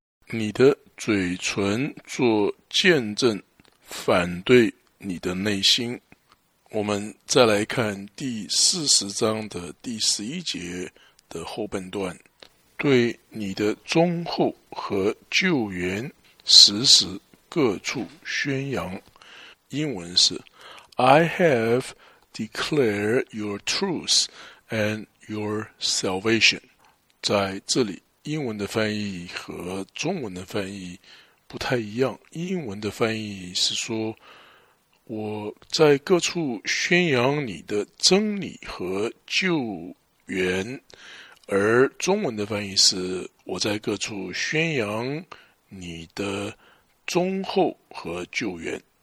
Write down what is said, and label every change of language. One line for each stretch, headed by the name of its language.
Chinese: 你的嘴唇做见证反对你的内心。我们再来看第40章的第11节的后半段，对你的忠厚和救援时时各处宣扬。英文是
English: I have declared your truth and your salvation。
Chinese: 在这里英文的翻译和中文的翻译不太一样，英文的翻译是说，我在各处宣扬你的真理和救援，而中文的翻译是，我在各处宣扬你的忠厚和救援。